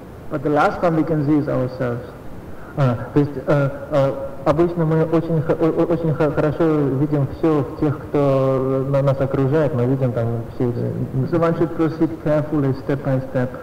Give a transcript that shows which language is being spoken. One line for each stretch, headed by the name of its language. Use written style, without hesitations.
English: But the last one we can see is ourselves.
Russian: То есть обычно мы очень хорошо видим все в тех, кто нас окружает, мы видим там все.
English: So one should proceed carefully, step by step.